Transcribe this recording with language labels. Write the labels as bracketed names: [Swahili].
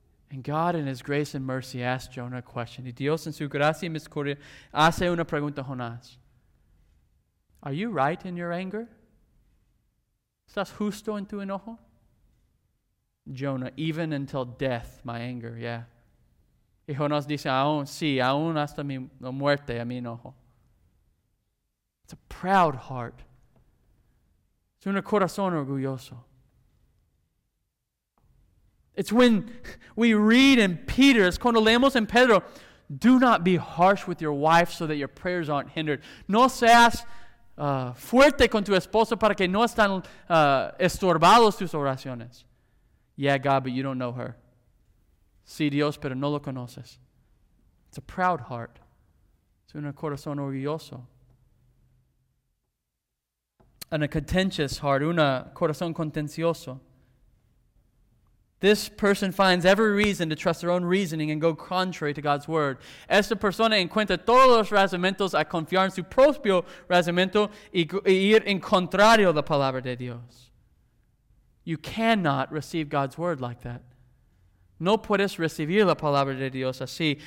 [English] And God, in his grace and mercy, asked Jonah a question. [Spanish] Y Dios, en su gracia y misericordia, hace una pregunta a Jonás. [English] Are you right in your anger? [Spanish] ¿Estás justo en tu enojo? [English] Jonah, even until death, my anger, yeah. [Spanish] Y Jonás dice, aún, sí, aún hasta mi muerte, a mi enojo. [English] It's a proud heart. [Spanish] Es un corazón orgulloso. [English] It's when we read in Peter, it's [Spanish] cuando leemos en Pedro, [English] do not be harsh with your wife so that your prayers aren't hindered. [Spanish] No seas fuerte con tu esposo para que no estén estorbados tus oraciones. [English] Yeah, God, but you don't know her. [Spanish] Sí, Dios, pero no lo conoces. [English] It's a proud heart. [Spanish] Es un corazón orgulloso. [English] And a contentious heart, [Spanish] un corazón contencioso. [English] This person finds every reason to trust their own reasoning and go contrary to God's word. [Spanish] Esta persona encuentra todos los razonamientos a confiar en su propio razonamiento y ir en contrario de la palabra de Dios. [English] You cannot receive God's word like that. [Spanish] No puedes recibir la palabra de Dios así.